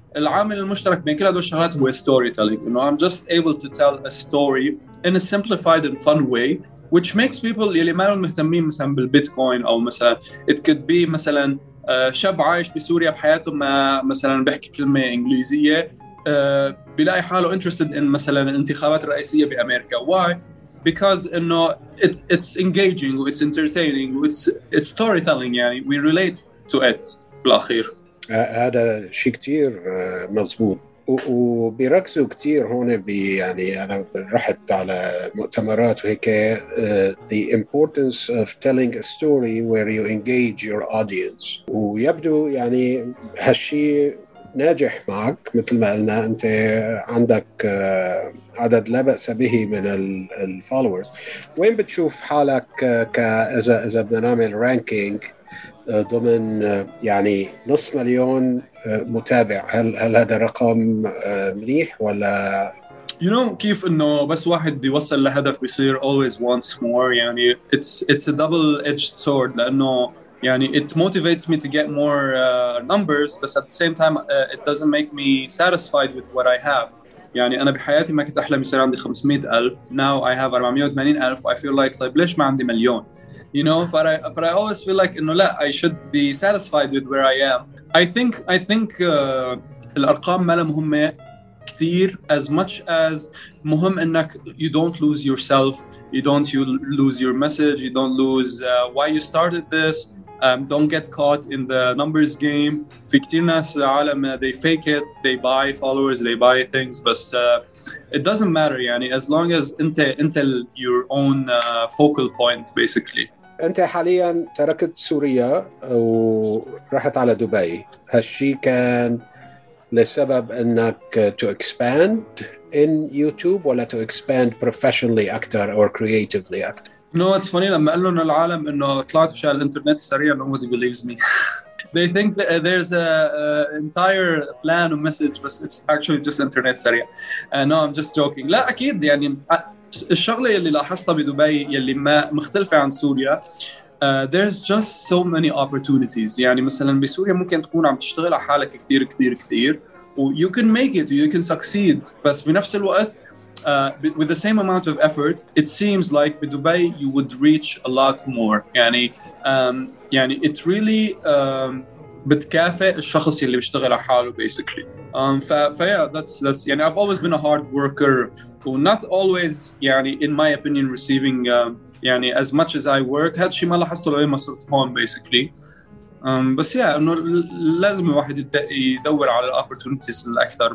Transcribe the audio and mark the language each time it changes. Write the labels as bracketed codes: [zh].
[ar] العامل المشترك بين كل هذه الشغلات هو storytelling. إنه [en] I'm just able to tell a story in a simplified and fun way, which makes people [ar] يلي ما هم مهتمين مثلا بالبيتكوين أو مثلا [en] it could be [ar] مثلا شاب عايش بسوريا بحياته ما مثلا بحكي كلمة إنجليزية بلاقي حاله [en] interested in [ar] مثلا الانتخابات الرئاسية بأمريكا. [en] Why? Because you know it's engaging, it's entertaining, it's storytelling. [ar] يعني [en] we relate to it. [ar] بالأخير هذا شيء كتير مزبوط وبركزوا كتير هون يعني أنا رحت على مؤتمرات وهيك [en] the importance of telling a story where you engage your audience. [ar] ويبدو يعني هالشيء ناجح معك مثل ما قلنا أنت عندك عدد لا بأس به من الفولورز. وين بتشوف حالك إذا بدنا نعمل رانكينج ضمن يعني نص مليون متابع؟ هل هذا رقم منيح ولا [en] you know [ar] كيف إنه بس واحد يوصل لهدف بيصير [en] always wants more. [ar] يعني [en] it's a double edged sword [ar] لأنه يعني [en] it motivates me to get more numbers, but at the same time it doesn't make me satisfied with what I have. [ar] يعني أنا بحياتي ما كنت أحلم يصير عندي 500,000, [en] now I have 480,000. I feel like [ar] طيب ليش ما عندي مليون, [en] you know? But I always feel like [ar] إنه لا, [en] I should be satisfied with where I am. I think [ar] الأرقام ما لها مهمة كتير [en] as much as [ar] مهم إنك [en] you don't lose yourself, you don't lose your message, you don't lose why you started this. Don't get caught in the numbers game. [ar] في كتير ناس عالم [en] they fake it, they buy followers, they buy things, but it doesn't matter. [ar] يعني [en] as long as [ar] انت [en] your own focal point basically. [ar] انت حاليا تركت سوريا ورحت على دبي, هالشي كان لسبب انك [en] to expand in YouTube [ar] ولا [en] to expand professionally [ar] اكتر [en] or creatively [ar] اكتر؟ [en] No, it's funny. [ar] لما قالوا إنه العالم إنه طلعت بشار الإنترنت سريع, [en] nobody believes me. They think that there's an entire plan or message, but it's actually just internet [ar] سريع. [en] No, I'm just joking. [ar] لا أكيد يعني الشغلة اللي لاحظتها بدبي يلي ما مختلفة عن سوريا. [en] There's just so many opportunities. [ar] يعني مثلاً بسوريا ممكن تكون عم تشتغل على حالك كتير كتير كتير. [en] You can make it. You can succeed. [ar] بس بنفس الوقت [en] with the same amount of effort, it seems like in Dubai you would reach a lot more. [ar] يعني يعني [en] it really [ar] بتكافئ الشخص اللي بيشتغل على حاله basically. [en] Yeah, that's [ar] يعني [en] I've always been a hard worker, who not always يعني in my opinion receiving يعني as much as I work. [ar] هاد شيء ما لاحظته لما صرت هون basically. بس يا إنه لازم الواحد يدور على opportunities الأكثر.